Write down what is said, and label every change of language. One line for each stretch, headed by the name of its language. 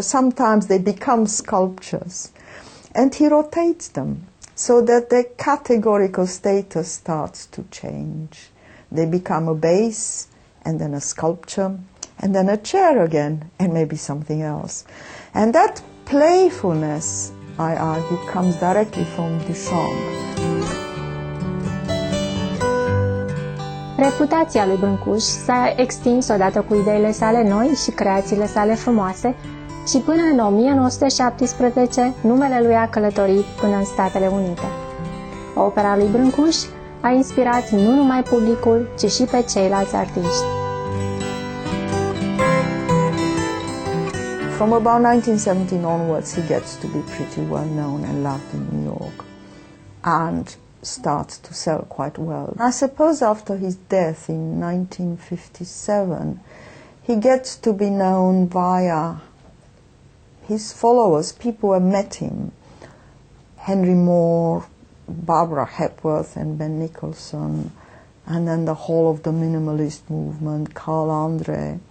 English: Sometimes they become sculptures. And he rotates them so that their categorical status starts to change. They become a base and then a sculpture and then a chair again and maybe something else. And that playfulness, I argue, comes directly from Duchamp.
Romanian: Reputația lui Brâncuș s-a extins odată cu ideile sale noi și creațiile sale frumoase și până în 1917 numele lui a călătorit până în Statele Unite. Opera lui Brâncuș a inspirat nu numai publicul, ci și pe ceilalți artiști.
English: From about 1917 onwards, he gets to be pretty well known and loved in New York and starts to sell quite well. I suppose after his death in 1957, he gets to be known via his followers, people who have met him, Henry Moore, Barbara Hepworth and Ben Nicholson, and then the whole of the minimalist movement, Carl André.